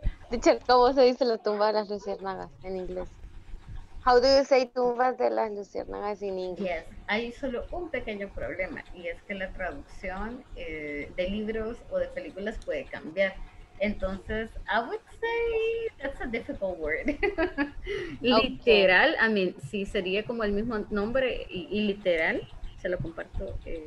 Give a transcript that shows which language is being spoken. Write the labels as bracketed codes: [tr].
[es] Teacher, ¿cómo se dice la tumba de las luciérnagas en inglés? [en] How do you say [es] tumbas de las luciérnagas en inglés? Yes, hay solo un pequeño problema y es que la traducción de libros o de películas puede cambiar. [en] Entonces, I would say that's a difficult word. Literal, okay. I mean, [es] sí, sería como el mismo nombre y literal, se lo comparto.